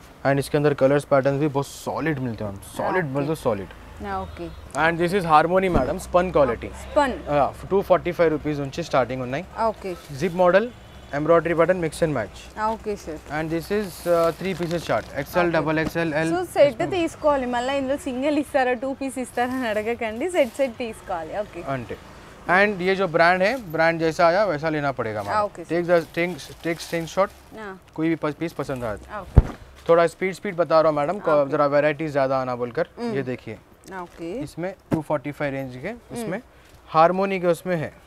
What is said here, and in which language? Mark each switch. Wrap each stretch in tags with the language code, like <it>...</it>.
<hi>And इसके अंदर colours patterns भी बहुत सॉलिड मिलते हैं. सॉलिड मतलब solid. Okay</hi> <en>and this is Harmony madam spun quality spun</en> <hi>245 rupees उनसे स्टार्टिंग ఉన్నాయి. Okay</hi> <en>Zip model embroidery button mix and match. Okay sir and this is 3 pieces shirt XL double XL L</en> <te>so set తీసుకోవాలి మళ్ళా ఇందులో single ఇస్తారా 2 piece ఇస్తారా అని అడగకండి set set తీసుకోవాలి. Okay</te> <hi>అంటే एंड ये जो ब्रांड है ब्रांड जैसा आया वैसा लेना पड़ेगा. टेक स्क्रीनशॉट कोई भी पीस पसंद आए. थोड़ा स्पीड बता रहा हूँ मैडम जरा वैरायटी ज्यादा आना बोलकर. ये देखिए इसमें 245 रेंज के इसमें हारमोनी के उसमें है.</hi>